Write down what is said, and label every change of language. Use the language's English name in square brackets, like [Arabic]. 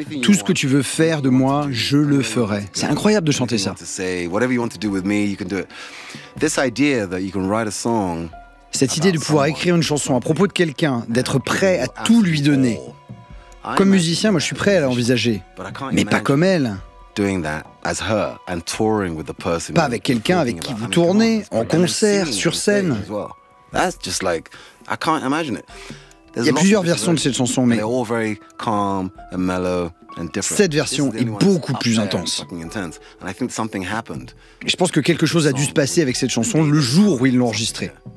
[French] Tout ce que tu veux faire de moi, je le ferai. C'est incroyable de chanter ça. Cette idée de pouvoir écrire une chanson à propos de quelqu'un, d'être prêt à tout lui donner. Comme musicien, moi je suis prêt à l'envisager. Mais pas comme elle. [English] doing that as her and touring with the person. [French] Pas avec quelqu'un avec qui vous tournez, en concert, sur scène. [English] That's just like, I can't imagine it. [French] Il y a plusieurs versions de cette chanson, mais cette version est beaucoup plus intense. Je pense que quelque chose a dû se passer avec cette chanson le jour où ils l'ont enregistrée.